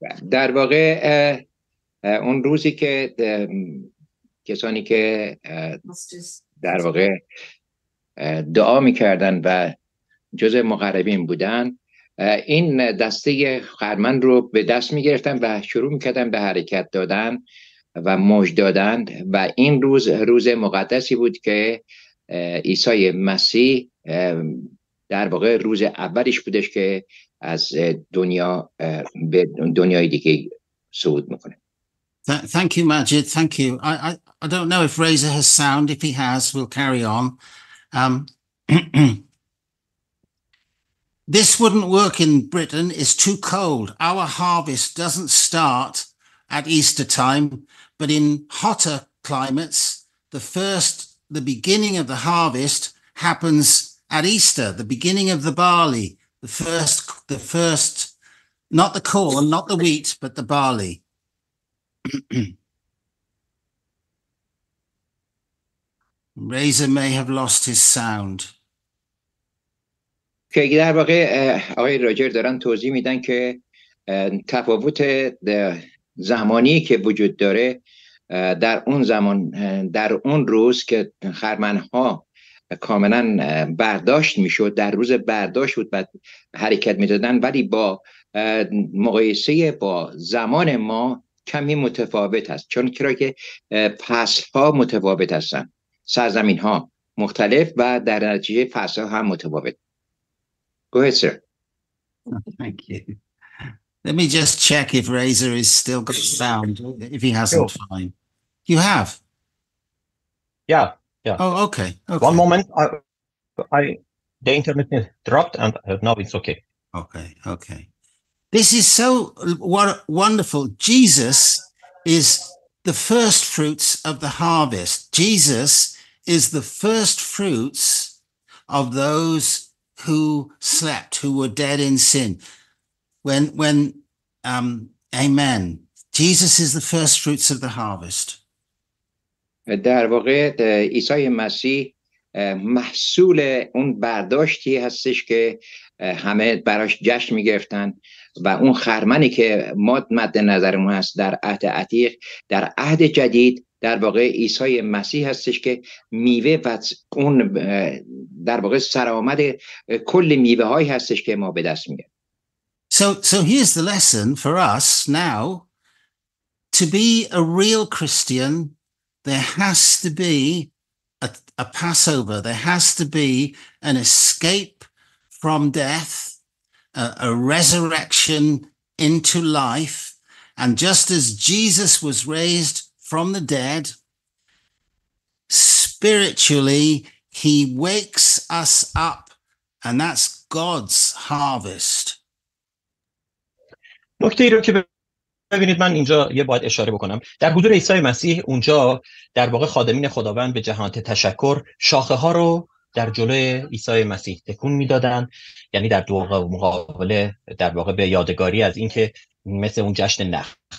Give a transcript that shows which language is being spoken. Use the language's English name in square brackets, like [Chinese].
[Persian] در واقع اون روزی که کسانی که در واقع دعا میکردن و جزء مقربین بودن، این دسته خرمن رو به دست میگرفتن و شروع میکردن به حرکت دادن و مژده دادن، و این روز روز مقدسی بود که عیسی مسیح در واقع روز اولش بودش که از دنیا به دنیای دیگه صعود میکنه. [English] Thank you, Majid. Thank you. I don't know if Razor has sound. If he has, we'll carry on. This wouldn't work in Britain. It's too cold. Our harvest doesn't start at Easter time, but in hotter climates, the beginning of the harvest happens at Easter, the beginning of the barley, the first, not the corn, not the wheat, but the barley. Razor may have lost his sound. [Persian] که در واقع آقای راجر دارن توضیح میدن که تفاوت زمانی که وجود داره در اون زمان، در اون روز که خرمنها کاملا برداشت میشد، در روز برداشت بود و حرکت میدادن، ولی با مقایسه با زمان ما کمی متفاوت است، چون کرا که فصلها متفاوت هستن، سرزمین ها مختلف و در نتیجه فصلها هم متفاوت. [English] Go ahead, sir. Thank you. Let me just check if Razor is still got sound. If he hasn't, sure. Fine. You have? Yeah, yeah. Oh, okay. Okay. One moment. The internet dropped and now it's okay. Okay, okay. This is so wonderful. Jesus is the first fruits of the harvest. Jesus is the first fruits of those who slept, who were dead in sin. when amen, Jesus is the first fruits of the harvest. [Persian] در واقع عیسی مسیح محصول اون برداشتی هستش که همه براش جشن میگرفتن و اون خرمنی که مد نظرمون هست در عهد عتیق، در عهد جدید در واقع عیسی مسیح هستش که میوه و اون در واقع سرآمد کل میوه هایی هستش که ما به دست میگیم. [English] So here's the lesson for us now. To be a real Christian, there has to be a Passover. There has to be an escape from death, a resurrection into life. And just as Jesus was raised from the dead, spiritually, he wakes us up, and that's God's harvest. [Persian] ببینید من اینجا یه باید اشاره بکنم. در حضور عیسی مسیح اونجا در واقع خادمین خداوند به جهات تشکر شاخه ها رو در جلوی عیسی مسیح تکون میدادن، یعنی در دو مقابله در واقع به یادگاری از اینکه مثل اون جشن نخل.